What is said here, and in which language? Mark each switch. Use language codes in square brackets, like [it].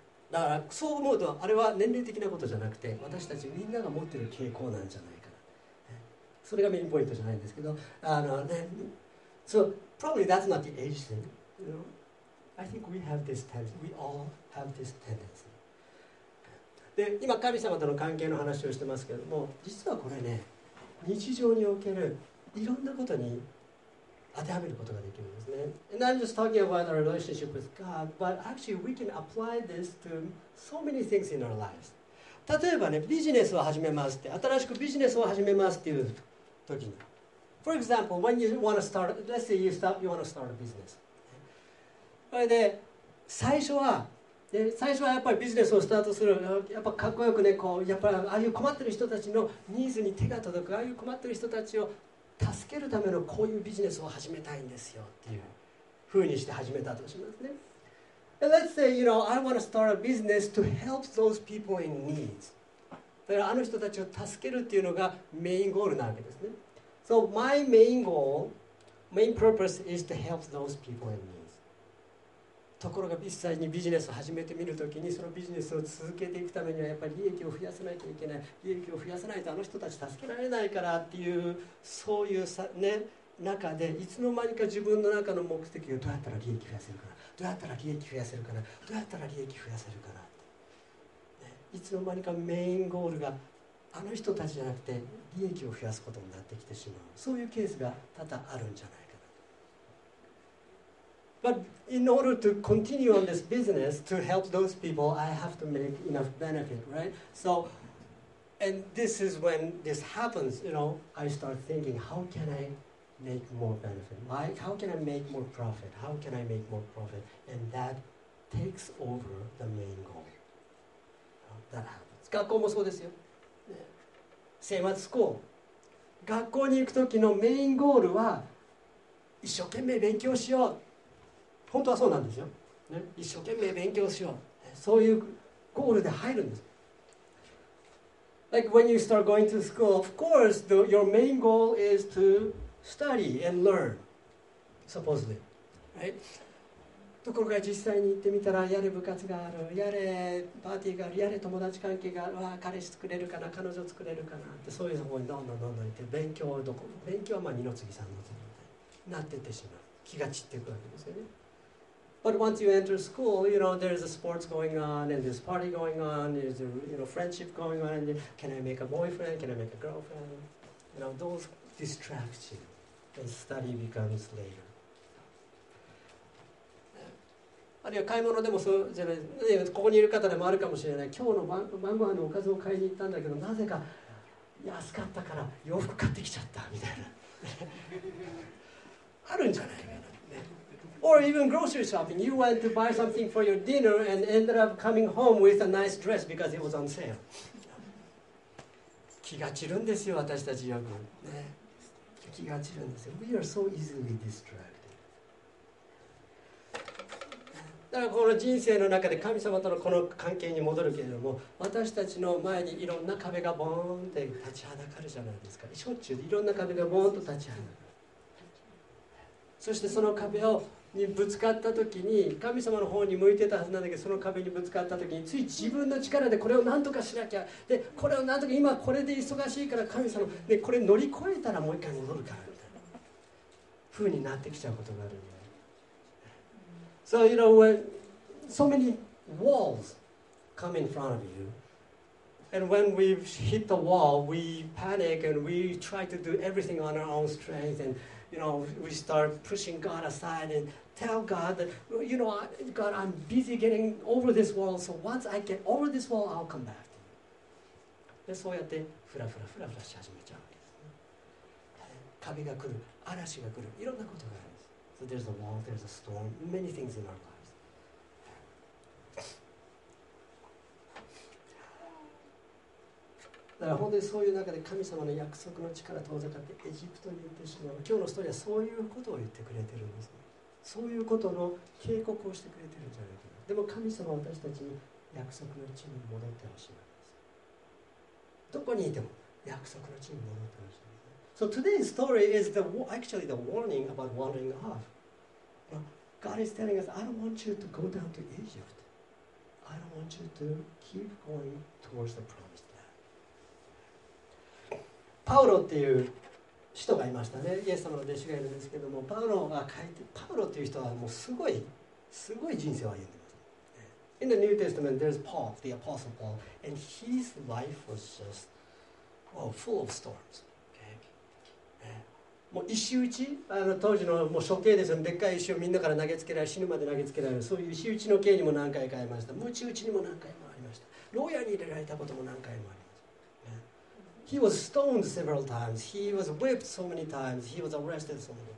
[ja] だからそう思うと、あれは年齢的なことじゃなくて、私たちみんなが持ってる傾向なんじゃないか。それがメインポイントじゃないんですけど、 [en] So probably that's not the age thing. You know? I think we have this tendency. We all have this tendency. [ja] で、今神様との関係の話をしてますけども、実はこれね、日常におけるいろんなことに当てはめることができるんですね。 [en] And I'm just talking about our relationship with God, but actually we can apply this to so many things in our lives. [ja] 例えばね、ビジネスを始めますって、新しくビジネスを始めますっていう時に。 [en] For example, when you want to start, let's say you want to start a business. [ja] それで、最初はやっぱりビジネスをスタートする。やっぱかっこよくね、こう、やっぱりああいう困ってる人たちのニーズに手が届く、ああいう困ってる人たちを助けるためのこういうビジネスを始めたいんですよっていう風にして始めたとしますね。 [en] And let's say, you know, I want to start a business to help those people in need. [ja] だからあの人たちを助けるっていうのがメインゴールなわけですね。 [en] So my main goal, main purpose is to help those people in need. [ja] ところが実際にビジネスを始めてみるときに、そのビジネスを続けていくためにはやっぱり利益を増やさないといけない。利益を増やさないとあの人たち助けられないからっていう、そういうさ、ね、中でいつの間にか自分の中の目的がどうやったら利益増やせるかな。どうやったら利益増やせるかな、どうやったら利益増やせるかなって、ね、いつの間にかメインゴールがあの人たちじゃなくて利益を増やすことになってきてしまう、そういうケースが多々あるんじゃないかな。 [en] But in order to continue on this business to help those people, I have to make enough benefit, right? So, and this is when this happens, you know, I start thinking, how can IMake more benefit. Like, how can I make more profit? How can I make more profit? And that takes over the main goal. That happens. [ja] 学校もそうですよ。 [en] Same at school. [ja] 学校に行くときのメインゴールは一生懸命勉強しよう。本当はそうなんですよ。ね、一生懸命勉強しよう。そういうゴールで入るんです。 [en] Like when you start going to school, of course, your main goal is toStudy and learn, supposedly, right? [ja] ところが実際に行ってみたら、やれ部活がある、やれパーティーがある、やれ友達関係がある、わあ彼氏作れるかな、彼女作れるかなって、そういうところにどんどんどんどん行って、勉強はまあ二の次三の次みたいになっていってしまう、気が散っていくわけですよね。 [en] But once you enter school, you know, there's a sports going on, and there's party going on, there's a, you know, friendship going on, and can I make a boyfriend, can I make a girlfriend, you know, those. Distraction and study becomes later. [ja] あるいは買い物でもそうじゃない、ね、ここにいる方でもあるかもしれない。今日の晩ご飯のおかずを買いに行ったんだけど、なぜか安かったから洋服買ってきちゃったみたいな。あるんじゃないかな、ね。 [en] Or even grocery shopping. You went to buy something for your dinner and ended up coming home with a nice dress because it was on sale. [ja] 気が散るんですよ、私たちよく、ね。きがちなんですよ。 [en] We are so easily distracted. [ja] だからこの人生の中で神様とのこの関係に戻るけれども、私たちの前にいろんな壁がボーンって立ちはだかるじゃないですか。しょっちゅういろんな壁がボーンと立ちはだかる。そしてその壁をにぶつかった時に、神様の方に向いてたはずなんだけど、その壁にぶつかった時につい自分の力でこれを何とかしなきゃ、でこれを何とか、今これで忙しいから、神様でこれ乗り越えたらもう一回戻るからみたいな風になってきちゃうことがあるんだよ。 [en] So you know when so many walls come in front of you, and when we hit the wall, we panic and we try to do everything on our own strength andYou know, we start pushing God aside and tell God that, you know, God, I'm busy getting over this wall. So once I get over this wall, I'll come back to you. [ja] で、そうやってフラフラフラフラし始めちゃうわけですね。壁が来る、嵐が来る、いろんなことがあるんです。 [en] So there's a wall, there's a storm, many things in our lives. [ja] だから本当にそういう中で神様の約束の力遠ざかってエジプトに行ってしまう。今日のストーリーはそういうことを言ってくれてるんですね。そういうことの警告をしてくれてるんじゃないかな。でも神様は私たちに約束の地に戻ってほしいんです。どこにいても約束の地に戻ってほしい。 [en] So today's story is the, actually the warning about wandering off. God is telling us, I don't want you to go down to Egypt. I don't want you to keep going towards the promised. [ja] パウロっていう人がいましたね。イエス様の弟子がいるんですけども、パウロが書いて、パウロっていう人はもうすごいすごい人生を歩んでます。 [en] In the New Testament there's Paul, the Apostle Paul, and his life was just full of storms. [ja] もう石打ち、当時のもう処刑ですよ。でっかい石をみんなから投げつけられ、死ぬまで投げつけられる、そういう石打ちの刑にも何回かありました。鞭打ちにも何回もありました。牢屋に入れられたことも何回もありました。 [en] He was stoned several times. He was whipped so many times. He was arrested so many times.